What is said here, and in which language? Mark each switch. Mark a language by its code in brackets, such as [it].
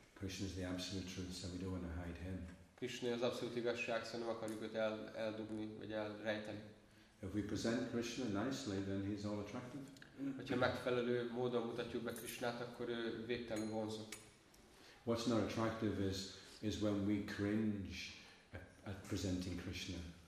[en] Krishna is the absolute truth, so we don't want to hide him. [hu] Krishna az abszolút igazság, szóval nem akarjuk őt eldugni, vagy elrejteni. [en] If we present Krishna nicely, then he's all attractive. [hu] Hogyha megfelelő módon mutatjuk be Krishnát, akkor ő végtelenül vonzó. [en] What's not attractive is when we cringe at presenting Krishna.